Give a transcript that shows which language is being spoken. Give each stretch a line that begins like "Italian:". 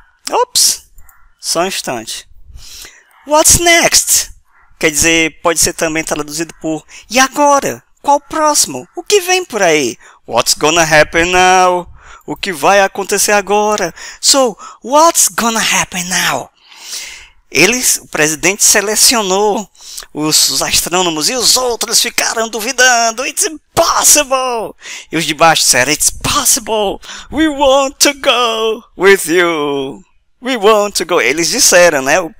Portuguese: Ops! Só um instante.
English: What's next?
Portuguese: Quer dizer, pode ser também traduzido por e agora? Qual o próximo? O que vem por aí?
English: What's gonna happen now?
Portuguese: O que vai acontecer agora?
English: So, what's gonna happen now?
Portuguese: O presidente selecionou os astrônomos e os outros ficaram duvidando.
English: It's impossible!
Portuguese: E os de baixo disseram,
English: it's possible! We want to go with you! We want to go!
Portuguese: Eles disseram, né?